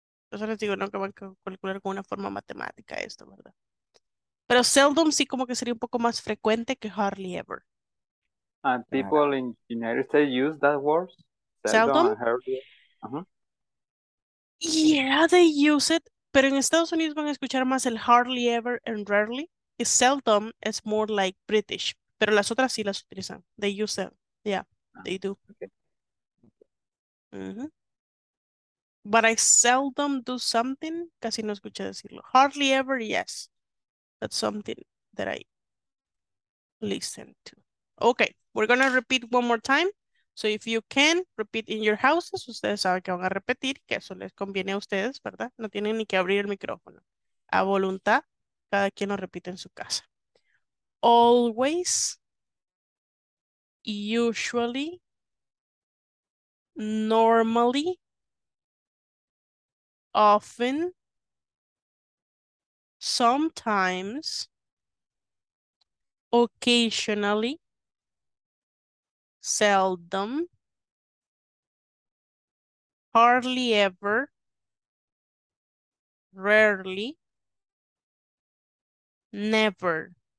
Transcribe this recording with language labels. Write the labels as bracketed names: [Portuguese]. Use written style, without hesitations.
[Spanish] Entonces les digo, no, que van a calcular con una forma matemática esto, ¿verdad? Pero seldom sí como que sería un poco más frecuente que hardly ever. [English] And people in the United States use that word? Seldom? Yeah, they use it. [Spanish] Pero en Estados Unidos van a escuchar más el hardly ever and rarely. [English] Y seldom is more like British. [Spanish] Pero las otras sí las utilizan. [English] They use them. Yeah, they do. But I seldom do something. [Spanish] Casi no escuché decirlo. [English] Hardly ever, yes. That's something that I listen to. Okay, we're going to repeat one more time. So if you can, repeat in your houses. [Spanish] Ustedes saben que van a repetir, que eso les conviene a ustedes, ¿verdad? No tienen ni que abrir el micrófono. A voluntad, cada quien lo repite en su casa. [English] Always, usually, normally, often, sometimes, occasionally, seldom, hardly ever, rarely, never.